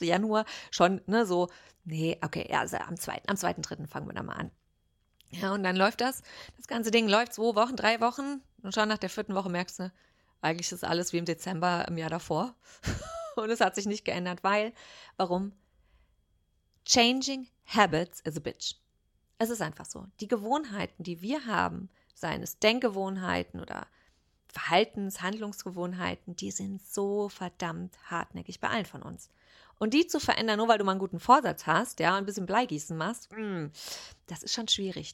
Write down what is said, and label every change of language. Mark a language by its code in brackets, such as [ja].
[de] Januar schon, ne, so, nee, okay, also am 2., 3. fangen wir dann mal an. Ja, und dann läuft das ganze Ding läuft 2 Wochen, 3 Wochen und schon nach der 4. Woche merkst du, eigentlich ist alles wie im Dezember im Jahr davor und es hat sich nicht geändert, weil, warum? [en] Changing habits is a bitch. [de] Es ist einfach so. Die Gewohnheiten, die wir haben, seien es Denkgewohnheiten oder Verhaltens-, Handlungsgewohnheiten, die sind so verdammt hartnäckig bei allen von uns. Und die zu verändern, nur weil du mal einen guten Vorsatz hast, ja, ein bisschen Bleigießen machst, das ist schon schwierig.